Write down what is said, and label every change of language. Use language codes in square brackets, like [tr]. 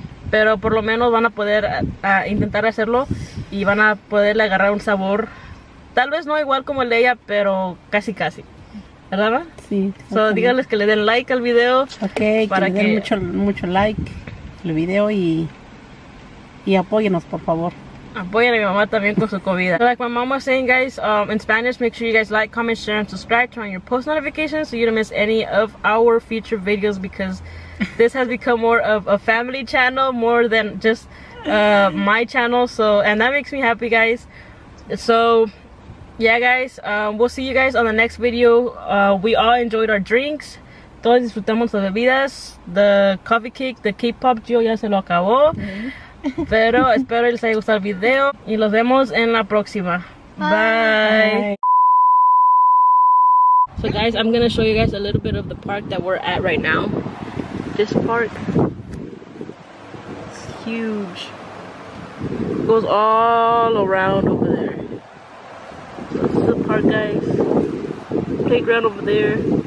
[es] pero por lo menos van a poder intentar hacerlo y van a poderle agarrar un sabor, tal vez no igual como el de ella, pero casi casi. ¿Verdad, ma? Sí. So, okay. Díganles que le den like al video. Ok, para que le den mucho like al video y apóyenos, por favor. Apoyen a mi mamá también con su comida. [en] So like my mom was saying, guys, in Spanish, make sure you guys like, comment, share, and subscribe. Turn on your post notifications so you don't miss any of our future videos, because this has become more of a family channel, more than just my channel. So, and that makes me happy, guys. So, yeah, guys, we'll see you guys on the next video. We all enjoyed our drinks. [es] Todos disfrutamos las bebidas. [en] The coffee cake, the K-pop, Gio [es] ya se lo acabó. Pero espero les haya gustado el video y los vemos en la próxima. [en] Bye. Bye. So guys, I'm gonna show you guys a little bit of the park that we're at right now. This park is huge. It goes all around over there. So this is the park, guys. Playground over there.